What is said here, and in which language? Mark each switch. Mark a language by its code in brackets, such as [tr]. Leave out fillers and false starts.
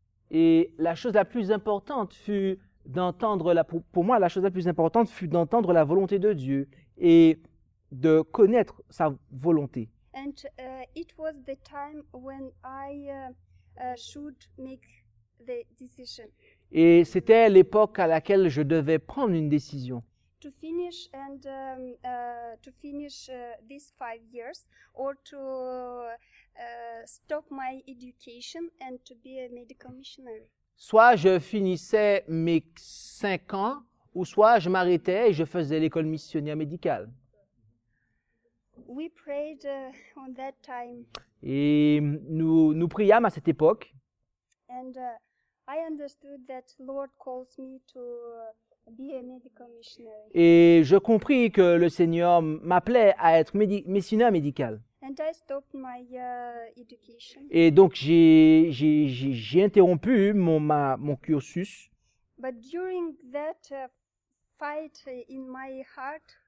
[fr] Et la chose la plus importante fut d'entendre la chose la plus importante fut d'entendre la volonté de Dieu et de connaître sa volonté. [en] And it was the time when I should make the decision. [fr] Et c'était l'époque à laquelle je devais prendre une décision. [en] To finish and to finish these 5 years or to stop my education and to be a medical missionary. [fr] Soit je finissais mes 5 ans ou soit je m'arrêtais et je faisais l'école missionnaire médicale. [en] We prayed on that time. [fr] Et nous priâmes à cette époque. [en] And I understood that Lord calls me to be a medical missionary. [fr] Et je compris que le Seigneur m'appelait à être missionnaire médical. [en] And I stopped my education. [fr] Et donc j'ai interrompu mon cursus. [en] But during that fight in my heart.